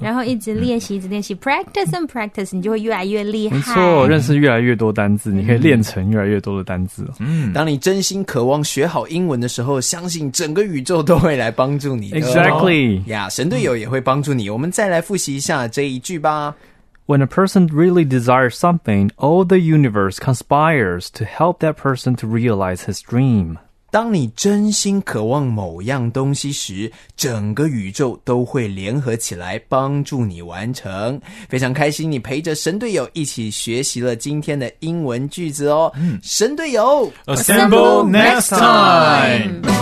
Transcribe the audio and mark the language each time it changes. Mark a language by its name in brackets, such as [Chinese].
[Chinese] 然后一直练习一直练习、嗯、 practice and practice 你就会越来越厉害。没错，认识越来越多单字、嗯、你可以练成越来越多的单字、哦嗯、当你真心渴望学好英文的时候，相信整个宇宙都会来帮助你的。 [English] Exactly、 [Chinese] yeah, 神队友也会帮助你。我们再来复习一下这一句吧。 [English] When a person really desires something, all the universe conspires to help that person to realize his dream. [Chinese] 当你真心渴望某样东西时，整个宇宙都会联合起来帮助你完成。非常开心你陪着神队友一起学习了今天的英文句子哦。嗯、神队友 [English] Assemble next time!